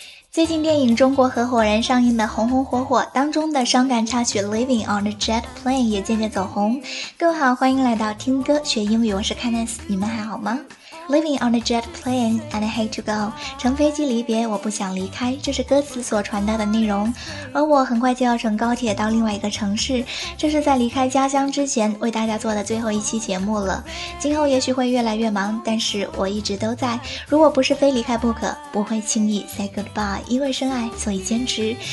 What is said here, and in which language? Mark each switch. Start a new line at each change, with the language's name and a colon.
Chinese: 最近电影《中国合伙人》上映的红红火火，当中的伤感插曲 Living on a Jet Plane 也渐渐走红。各位好，欢迎来到听歌学英语，我是 Kenneth， 你们还好吗？
English: Living on a jet plane, and I hate to go.
Chinese: 乘飞机离别，我不想离开，这是歌词所传达的内容。而我很快就要乘高铁到另外一个城市，这是在离开家乡之前为大家做的最后一期节目了。今后也许会越来越忙，但是我一直都在。如果不是非离开不可，不会轻易
English: say goodbye，
Chinese: 因为深爱所以坚持。